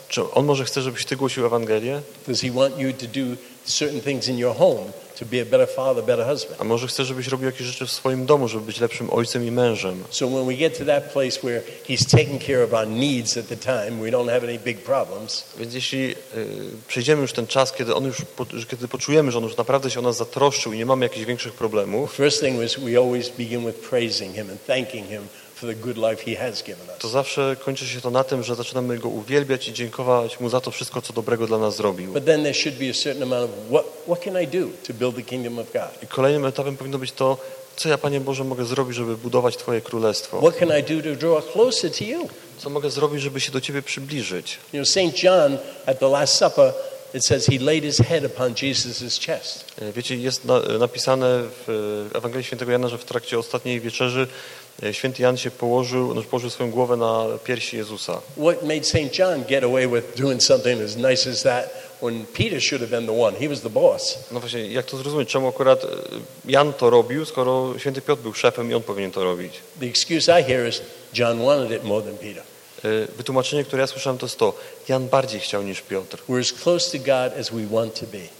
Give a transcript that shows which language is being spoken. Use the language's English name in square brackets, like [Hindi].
[Polish] Czy on może chce, żebyś ty głosił Ewangelię? [English] Does he want you to do certain things in your home to be a better father, better husband? [Polish] A może chce, żebyś robił jakieś rzeczy w swoim domu, żeby być lepszym ojcem i mężem? [English] So when we get to that place where he's taking care of our needs at the time, we don't have any big problems. [Polish] Więc jeśli przejdziemy już ten czas, kiedy poczujemy, że on już naprawdę się o nas zatroszczył i nie mamy jakichś większych problemów. [English] First thing is we always begin with praising him and thanking him. The good life he has given us. [Polish] To zawsze kończy się to na tym, że zaczynamy go uwielbiać i dziękować mu za to wszystko, co dobrego dla nas zrobił. [English] But then there should be a certain amount of what can I do to build the kingdom of God? [Polish] I kolejnym etapem powinno być to, co ja, Panie Boże, mogę zrobić, żeby budować Twoje królestwo. [English] What can I do to draw closer to you? [Polish] Co mogę zrobić, żeby się do Ciebie przybliżyć? [English] You know, Saint John at the Last Supper, it says he laid his head upon Jesus's chest. [Polish] Wiecie, jest napisane w Ewangelii Świętego Jana, że w trakcie ostatniej wieczerzy Święty Jan się położył swoją głowę na piersi Jezusa. [English] What made Saint John get away with doing something as nice as that when Peter should have been the one? He was the boss. [Polish] No właśnie, jak to zrozumieć, czemu akurat Jan to robił, skoro Święty Piotr był szefem i on powinien to robić? [English] The excuse I hear is John wanted it more than Peter. [Polish] Wytłumaczenie, które ja słyszałem, to jest to: Jan bardziej chciał niż Piotr. [English] We're as close to God as we want to be.